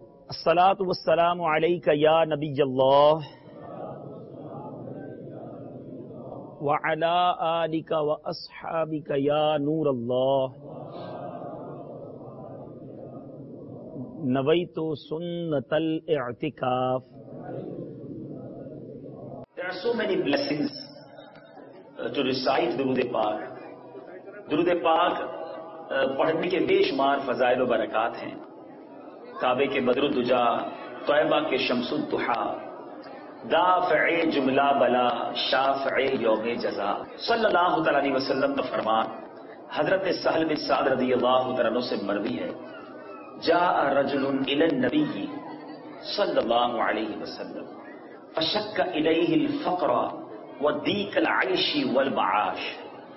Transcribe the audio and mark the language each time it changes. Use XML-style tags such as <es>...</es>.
<ar>الصلاة والسلام عليك يا نبي الله وعلى آلك وأصحابك يا نور الله نويت سنة الاعتكاف.</ar> <en>There are so many blessings to recite Durud-e-Pak.</en> <ur>Durud-e-Pak پڑھنے کے بے شمار فضائل و برکات ہیں. کعبے کے بدر الدجا، طیبہ کے شمس الدحا، دافع جملہ بلا، شافع یوم جزا. صلی اللہ تعالیٰ علیہ وسلم کا فرمان حضرت سہل بن سعد رضی اللہ تعالیٰ عنہ سے مروی ہے،</ur> <ar>جاء رجل الی النبی صلی اللہ علیہ وسلم فشک الیہ الفقر وضیق العیش والمعاش.</ar>